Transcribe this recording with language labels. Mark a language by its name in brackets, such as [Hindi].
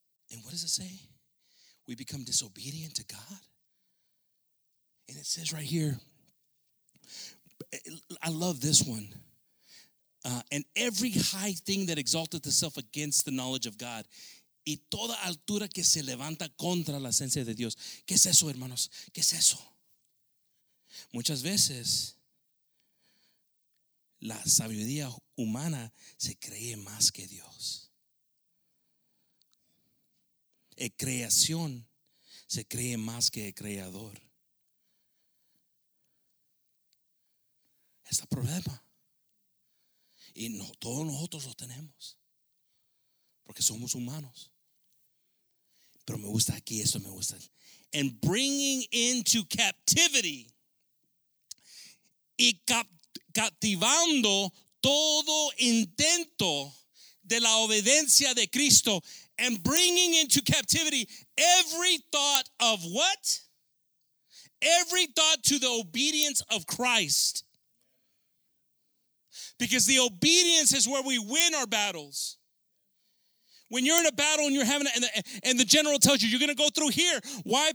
[English] And what does it say? We become disobedient to God. And it says right here, I love this one. And every high thing that exalted itself against the knowledge of God. [Spanish] Y toda altura que se levanta contra la esencia de Dios. ¿Qué es eso, hermanos? ¿Qué es eso? Muchas veces, la sabiduría humana se cree más que Dios. creación se cree más que el creador. Este problema. Y no, todos nosotros lo tenemos. Porque somos humanos. Pero me gusta aquí, esto me gusta. [English] And bringing into captivity. [Spanish] Y captivando todo intento de la obediencia de Cristo. [English] And bringing into captivity every thought of what? Every thought to the obedience of Christ. Because the obedience is where we win our battles. When you're in a battle and you're having, and the general tells you, you're going to go through here. Why?